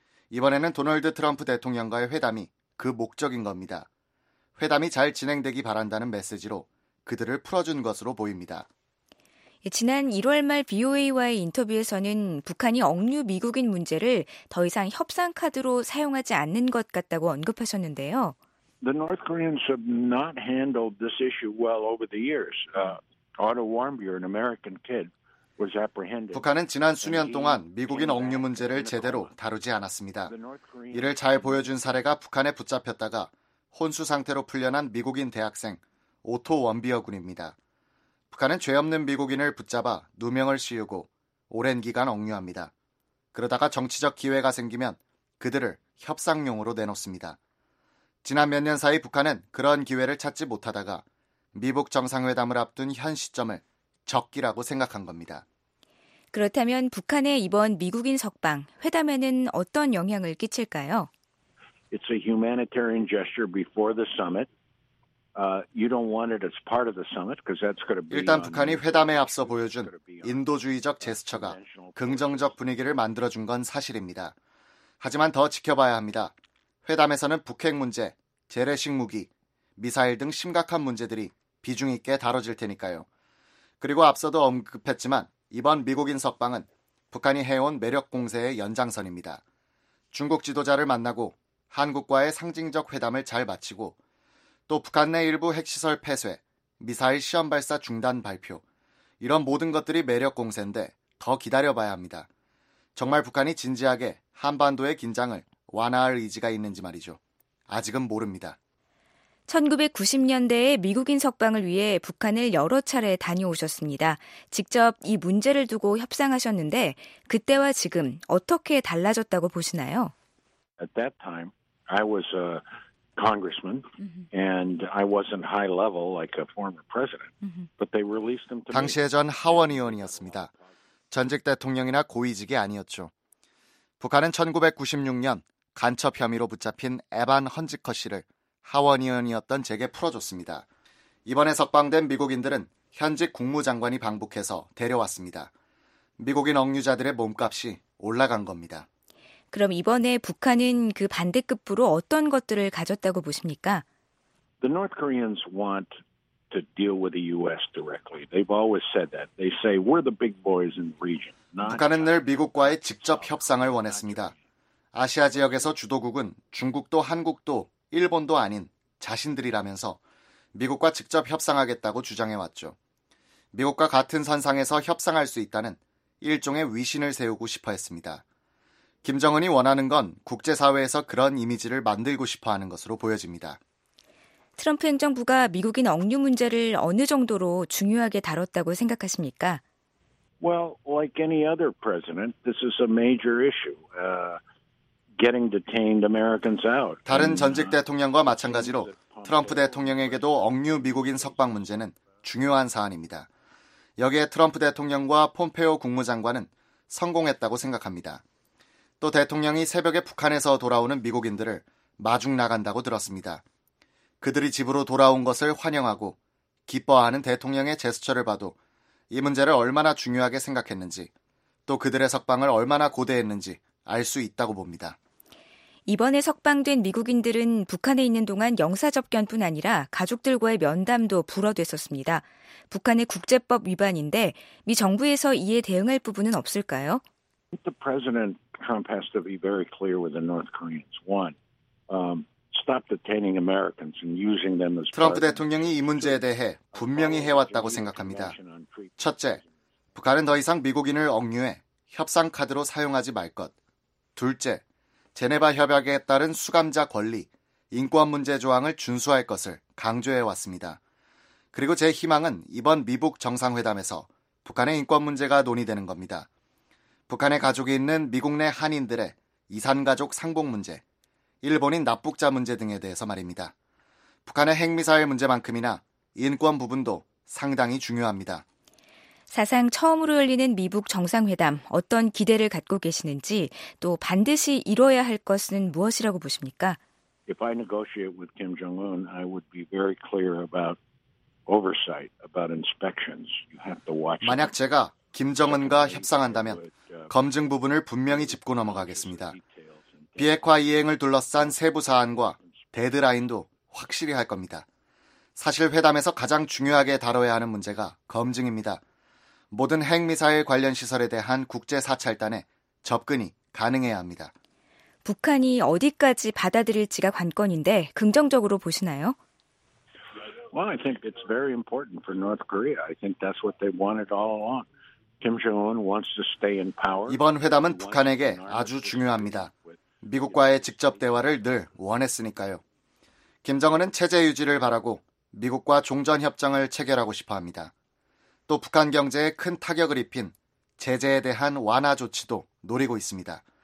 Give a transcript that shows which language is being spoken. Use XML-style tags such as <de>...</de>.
<ko>이번에는 도널드 트럼프 대통령과의 회담이 그 목적인 겁니다. 회담이 잘 진행되기 바란다는 메시지로 그들을 풀어준 것으로 보입니다. 지난 1월 말 VOA와의 인터뷰에서는 북한이 억류 미국인 문제를 더 이상 협상 카드로 사용하지 않는 것 같다고 언급하셨는데요.</ko> <en>The North Koreans have not handled this issue well over the years. Otto Warmbier, an American kid, was apprehended.</en> <ko>북한은 지난 수년 동안 미국인 억류 문제를 제대로 다루지 않았습니다. 이를 잘 보여준 사례가 북한에 붙잡혔다가 혼수 상태로 풀려난 미국인 대학생 오토 원비어 군입니다. 북한은 죄 없는 미국인을 붙잡아 누명을 씌우고 오랜 기간 억류합니다. 그러다가 정치적 기회가 생기면 그들을 협상용으로 내놓습니다. 지난 몇 년 사이 북한은 그런 기회를 찾지 못하다가 미북 정상회담을 앞둔 현 시점을 적기라고 생각한 겁니다. 그렇다면 북한의 이번 미국인 석방, 회담에는 어떤 영향을 끼칠까요?</ko> <en>It's a humanitarian gesture before the summit. You don't want it as part of the summit because that's going to be</en> <ko>일단 북한이 회담에 앞서 보여준 인도주의적 제스처가 긍정적 분위기를 만들어 준 건 사실입니다. 하지만 더 지켜봐야 합니다. 회담에서는 북핵 문제, 재래식 무기, 미사일 등 심각한 문제들이 비중 있게 다뤄질 테니까요. 그리고 앞서도 언급했지만 이번 미국인 석방은 북한이 해온 매력 공세의 연장선입니다. 중국 지도자를 만나고 한국과의 상징적 회담을 잘 마치고 또 북한 내 일부 핵시설 폐쇄, 미사일 시험 발사 중단 발표, 이런 모든 것들이 매력 공세인데 더 기다려봐야 합니다. 정말 북한이 진지하게 한반도의 긴장을 완화할 의지가 있는지 말이죠. 아직은 모릅니다. 1990년대에 미국인 석방을 위해 북한을 여러 차례 다녀오셨습니다. 직접 이 문제를 두고 협상하셨는데 그때와 지금 어떻게 달라졌다고 보시나요?</ko> <en>At that time, I was a congressman, and I wasn't high level like a former president. But they released them.</en> <ko>당시에 전 하원 의원이었습니다. 전직 대통령이나 고위직이 아니었죠. 북한은 1996년 간첩 혐의로 붙잡힌 에반 헌지커 씨를 하원 의원이었던 제게 풀어줬습니다. 이번에 석방된 미국인들은 현직 국무장관이 방북해서 데려왔습니다. 미국인 억류자들의 몸값이 올라간 겁니다. 그럼 이번에 북한은 그 반대급부로 어떤 것들을 가졌다고 보십니까?</ko> <en>The North Koreans want to deal with the U.S. directly. They've always said that. They say we're the big boys in the region.</en> <ko>북한은 늘 미국과의 직접 협상을 원했습니다. 아시아 지역에서 주도국은 중국도 한국도 일본도 아닌 자신들이라면서 미국과 직접 협상하겠다고 주장해왔죠. 미국과 같은 선상에서 협상할 수 있다는 일종의 위신을 세우고 싶어 했습니다. 김정은이 원하는 건 국제사회에서 그런 이미지를 만들고 싶어하는 것으로 보여집니다. 트럼프 행정부가 미국인 억류 문제를 어느 정도로 중요하게 다뤘다고 생각하십니까?</ko> <en>Well, like any other president, this is a major issue. Getting detained Americans out.</en> <ko>다른 전직 대통령과 마찬가지로 트럼프 대통령에게도 억류 미국인 석방 문제는 중요한 사안입니다. 여기에 트럼프 대통령과 폼페오 국무장관은 성공했다고 생각합니다. 또 대통령이 새벽에 북한에서 돌아오는 미국인들을 마중 나간다고 들었습니다. 그들이 집으로 돌아온 것을 환영하고 기뻐하는 대통령의 제스처를 봐도 이 문제를 얼마나 중요하게 생각했는지 또 그들의 석방을 얼마나 고대했는지 알 수 있다고 봅니다. 이번에 석방된 미국인들은 북한에 있는 동안 영사 접견뿐 아니라 가족들과의 면담도 불허됐었습니다. 북한의 국제법 위반인데 미 정부에서 이에 대응할 부분은 없을까요?</ko> <en>The President Trump has to be very clear with the North Koreans. One, stop detaining Americans and using them as</en> <ko>트럼프 대통령이 이 문제에 대해 분명히 해왔다고 생각합니다. 첫째, 북한은 더 이상 미국인을 억류해 협상 카드로 사용하지 말 것. 둘째, 제네바 협약에 따른 수감자 권리, 인권 문제 조항을 준수할 것을 강조해왔습니다. 그리고 제 희망은 이번 미북 정상회담에서 북한의 인권 문제가 논의되는 겁니다. 북한의 가족이 있는 미국 내 한인들의 이산가족 상봉 문제, 일본인 납북자 문제 등에 대해서 말입니다. 북한의 핵미사일 문제만큼이나 인권 부분도 상당히 중요합니다. 사상 처음으로 열리는 미북 정상회담, 어떤 기대를 갖고 계시는지 또 반드시 이뤄야 할 것은 무엇이라고 보십니까?</ko> <en>If I negotiate with Kim Jong-un, I would be very clear about oversight, about inspections. You have to watch.</en> <ko>만약 제가 김정은과 협상한다면 검증 부분을 분명히 짚고 넘어가겠습니다. 비핵화 이행을 둘러싼 세부 사안과 데드라인도 확실히 할 겁니다. 사실 회담에서 가장 중요하게 다뤄야 하는 문제가 검증입니다. 모든 핵미사일 관련 시설에 대한 국제 사찰단에 접근이 가능해야 합니다. 북한이 어디까지 받아들일지가 관건인데 긍정적으로 보시나요?</ko> <en>Well, I think it's very important for North Korea. I think that's what they wanted all along. Kim Jong-un wants to stay in power.</en> <ko>이번 회담은 북한에게 아주 중요합니다. 미국과의 직접 대화를 늘 원했으니까요. 김정은은 체제 유지를 바라고 미국과 종전협정을 체결하고 싶어합니다. 또 북한 경제에 큰 타격을 입힌 제재에 대한 완화 조치도 노리고 있습니다.</ko>